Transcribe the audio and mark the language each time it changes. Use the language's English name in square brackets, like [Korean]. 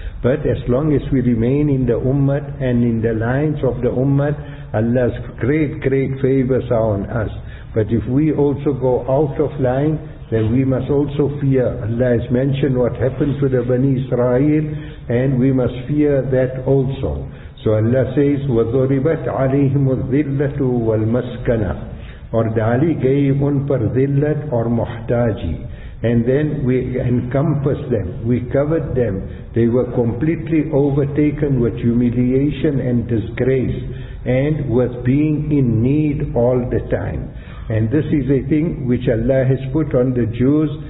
[English] But as long as we remain in the ummah and in the lines of the ummah, Allah's great favors are on us. But if we also go out of line, then we must also fear. Allah has mentioned what happened to the Bani Israel, and we must fear that also. So Allah says, [Arabic] وَضُرِبَتْ عَلَيْهِمُ الذِّلَّةُ وَالْمَسْكَنَةُ. [Urdu] Or dali gay un par zillat or muhtaji. [English] And then we encompassed them, we covered them. They were completely overtaken with humiliation and disgrace, and with being in need all the time. And this is a thing which Allah has put on the Jews.